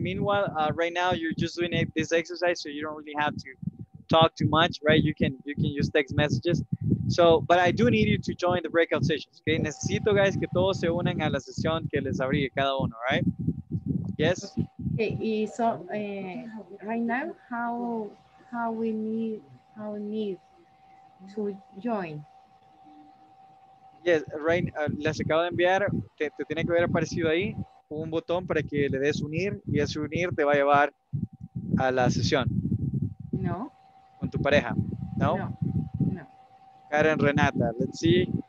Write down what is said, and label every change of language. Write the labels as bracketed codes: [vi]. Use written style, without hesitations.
[en] Meanwhile, right now you're just doing this exercise, so you don't really have to talk too much, right? You can use text messages. So, but I do need you to join the breakout sessions, okay? [es] Necesito, guys, que todos se unan a la sesión que les abrí cada uno, right? [en] Yes? Okay, so right now, how we need to join? [es] Yes, Rain, les acabo de enviar, te tiene que haber aparecido ahí un botón para que le des unir y ese unir te va a llevar a la sesión. No. Con tu pareja, ¿no? No, no. [en] Karen Renata, let's see.